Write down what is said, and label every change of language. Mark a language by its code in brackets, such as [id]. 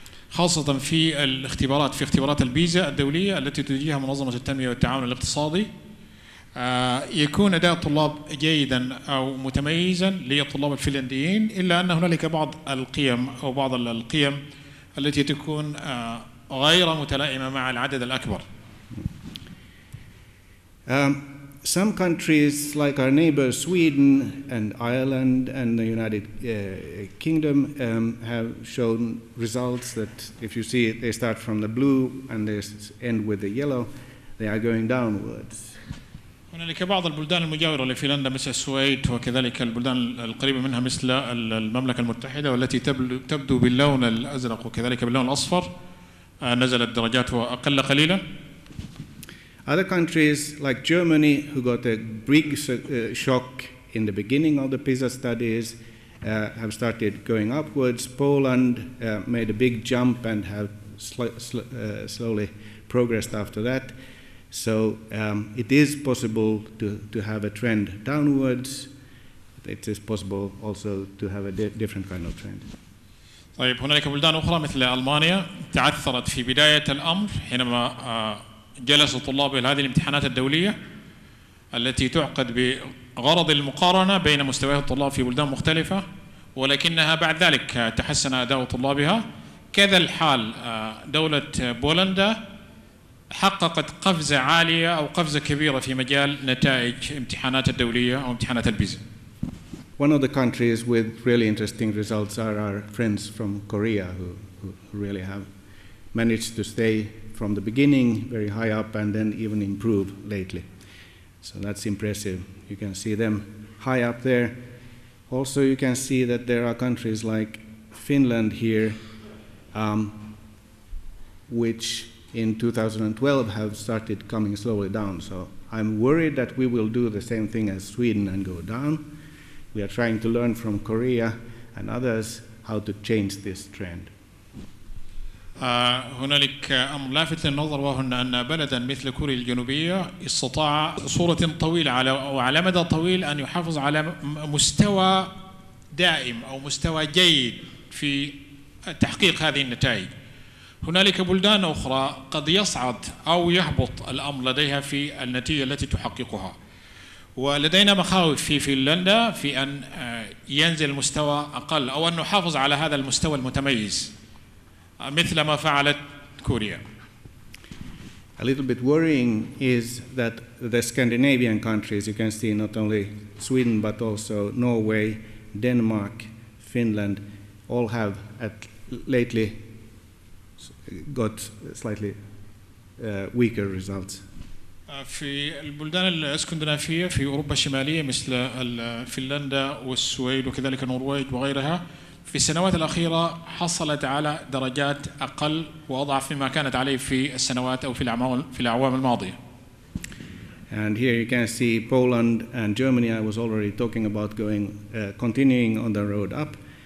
[ar] خاصة في الاختبارات في اختبارات البيزا الدولية التي تجريها منظمة التنمية والتعاون الاقتصادي يكون أداء الطلاب جيدا أو متميزا للطلاب الفنلنديين، إلا أن هنالك بعض القيم أو بعض القيم التي تكون غير متلائمة مع العدد الأكبر. [en] Some countries like our neighbor Sweden and Ireland and the United Kingdom have shown results that if you see it, they start from the blue and they end with the yellow, they are going downwards. [ar] هنالك بعض البلدان المجاورة لفنلندا مثل السويد وكذلك البلدان القريبة منها مثل المملكة المتحدة والتي تبدو باللون الأزرق وكذلك باللون الأصفر نزلت درجاتها أقل قليلا. [en] Other countries like Germany, who got a big shock in the beginning of the PISA studies, have started going upwards. Poland made a big jump and have slowly progressed after that. So it is possible to have a trend downwards. It is possible also to have a different kind of trend. [ar] طيب هناك بلدان أخرى مثل ألمانيا تعثرت في بداية الأمر حينما جلس الطلاب إلى هذه الامتحانات الدولية التي تعقد بغرض المقارنة بين مستويات الطلاب في بلدان مختلفة، ولكنها بعد ذلك تحسن أداء طلابها. كذا الحال دولة بولندا حققت قفزة عالية أو قفزة كبيرة في مجال نتائج امتحانات الدولية أو امتحانات البيزا. [en] One of the countries with really interesting results are our friends from Korea who really have managed to stay from the beginning very high up and then even improve lately. So that's impressive. You can see them high up there. Also you can see that there are countries like Finland here which in 2012 have started coming slowly down. So I'm worried that we will do the same thing as Sweden and go down. We are trying to learn from Korea and others how to change this trend. [ar] هنالك أمر لافت للنظر وهو أن بلدا مثل كوريا الجنوبية استطاع صورة طويلة على وعلى مدى طويل أن يحافظ على مستوى دائم أو مستوى جيد في تحقيق هذه النتائج. هنالك بلدان أخرى قد يصعد أو يهبط الأمر لديها في النتيجة التي تحققها، ولدينا مخاوف في فنلندا في أن ينزل المستوى أقل أو أن نحافظ على هذا المستوى المتميز مثل ما فعلت كوريا. [en] A little bit worrying is that the Scandinavian countries, you can see not only Sweden, but also Norway, Denmark, Finland, all have lately got slightly weaker results. [ar] في البلدان الاسكندنافية في أوروبا الشمالية مثل فنلندا والسويد وكذلك النرويج وغيرها في السنوات الأخيرة حصلت على درجات أقل وأضعف مما كانت عليه في السنوات أو في الأعوام الماضية. [en] And here you can see Poland and Germany. I was already talking about going continuing on the road up.